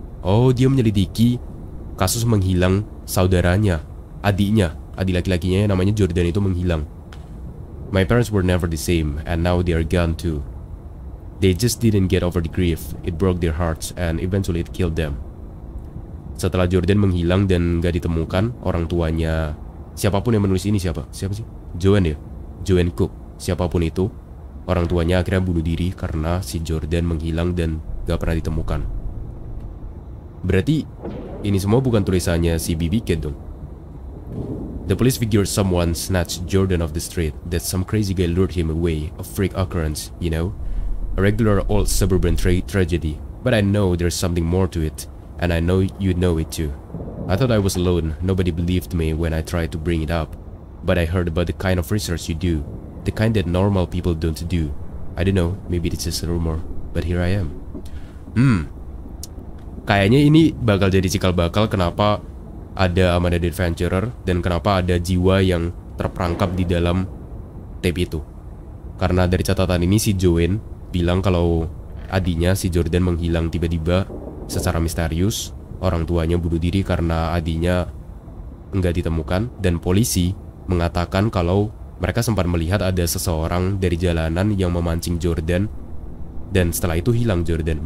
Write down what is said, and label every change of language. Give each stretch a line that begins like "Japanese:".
Indonesian: Oh, dia menyelidiki kasus menghilang saudaranya, adiknya, adik laki-lakinya yang namanya Jordan itu menghilang.
English: My parents were never the same, and now they are gone too. They just didn't get over the grief. It broke their hearts, and eventually it killed them.
Indonesian: Setelah Jordan menghilang dan gak ditemukan, orang tuanya, siapapun yang menulis ini siapa? Siapa sih? Joanne ya? Joanne Cook. Siapapun itu, orang tuanya akhirnya bunuh diri karena si Jordan menghilang dan gak pernah ditemukan. Berarti, ini semua bukan tulisannya si Bibi Kate dong.
English: The police figured someone snatched Jordan off the street, that some crazy guy lured him away, a freak occurrence, you know? A regular old suburban tragedy, but I know there's something more to it, and I know you know it too. I thought I was alone, nobody believed me when I tried to bring it up, but I heard about the kind of research you do, the kind that normal people don't do. I don't know, maybe it's just a rumor, but here I am.
Indonesian: Kayaknya ini bakal jadi cikal bakal kenapa ada Amanda the Adventurer dan kenapa ada jiwa yang terperangkap di dalam tape itu. Karena dari catatan ini si Joanne bilang kalau adiknya si Jordan menghilang tiba-tiba secara misterius, orang tuanya bunuh diri karena adiknya enggak ditemukan, dan polisi mengatakan kalau mereka sempat melihat ada seseorang dari jalanan yang memancing Jordan dan setelah itu hilang Jordan.